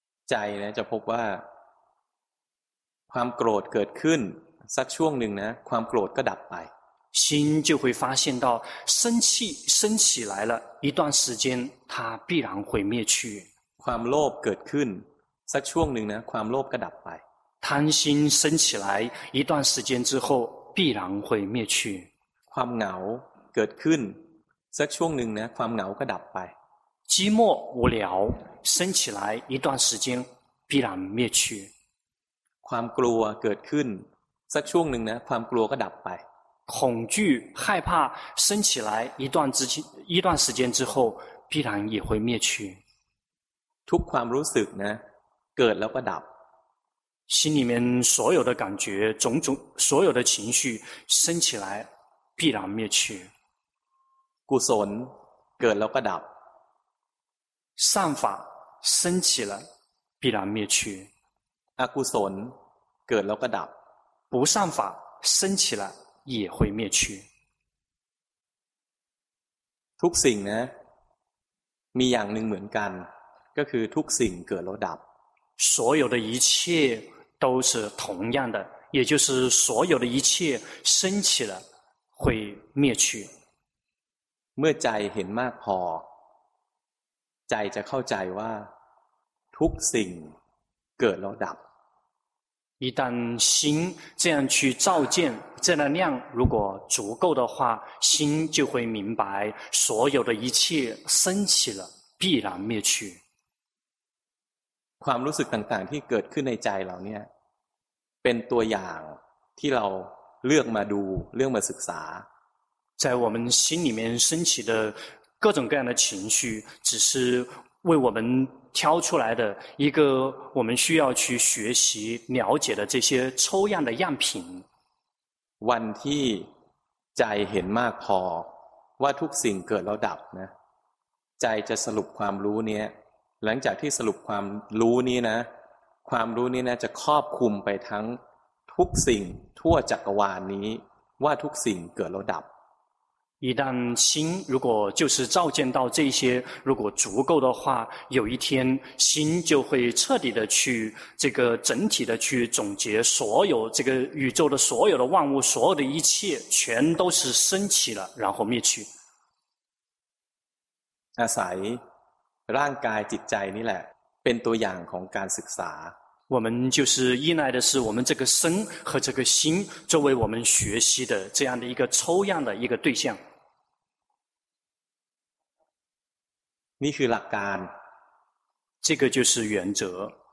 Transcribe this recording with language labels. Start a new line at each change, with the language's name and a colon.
Thai: ใจนะจะพบว่าความโกรธเกิดขึ้นสักช่วงหนึ่งนะความโกรธก็ดับไป
Chinese: 心就会发现到生气升起来了一段时间它必然会灭去
Thai: ความโลภเกิดขึ้นสักช่วงหนึ่งนะความโลภก็ดับไป
Chinese: 贪心升起来一段时间之后必然会灭去
Thai: ความเหงาเกิดขึ้นสักช่วงหนึ่งนะความเหงาก็ดับไป
Chinese: 寂寞无聊升起来一段时间必然灭去
Thai: ความกลัวเกิดขึ้นสักช่วงหนึ่งนะความกลัวก็ดับไป
Chinese: 恐惧害怕升起来一段时间之后必然也会灭去
Thai: ทุกความรู้สึกนะเกิดแล้วก็ดับ
Chinese: 心里面所有的感觉种种所有的情绪升起来必然灭去
Thai: กุศลเกิดแล้วก็ดับ
Chinese: 善法升起了必然灭去
Thai: อกุศลเกิดแล้วก็ดับ
Chinese: 不善法升起了也会灭去
Thai: ทุกสิ่งนะมีอย่างหนึ่งเหมือนกันก็คือทุกสิ่งเกิดแล้วดับ
Chinese: 所有的一切都是同样的也就是所有的一切升起了会灭去
Thai: เมื่อใจเห็นมากพอใจจะเข้าใจว่าทุกสิ่งเกิดแล้วดับ
Chinese: 一旦心这样去照见这能量如果足够的话心就会明白所有的一切升起了必然灭去
Thai: ความรู้สึกต่างๆที่เกิดขึ้นในใจเราเนี่ยเป็นตัวอย่างที่เราเลือกมาดูเลือกมาศึกษา
Chinese: 在我们心里面升起的各种各样的情绪只是为我们挑出来的一个我们需要去学习了解的这些抽样的样品
Thai: วันที่ใจเห็นมากพอว่าทุกสิ่งเกิดแล้วดับนะใจจะสรุปความรู้เนี้ยหลังจากที่สรุปความรู้นี้นะความรู้นี้นะจะครอบคลุมไปทั้งทุกสิ่งทั่วจักรวาลนี้ว่าทุกสิ่งเกิดแล้วดับ
Chinese: 一旦心如果就是照见到这些如果足够的话有一天心就会彻底的去这个整体的去总结所有这个宇宙的所有的万物所有的一切全都是升起了然后灭去
Thai: อาศัยร่างกายจิตใจนี่แหละเป็นตัวอย่างของการศึกษา
Chinese: 我们就是依赖的是我们这个身和这个心作为我们学习的这样的一个抽样的一个对象
Thai: นี่คือหลักการ
Chinese: 这个就是原则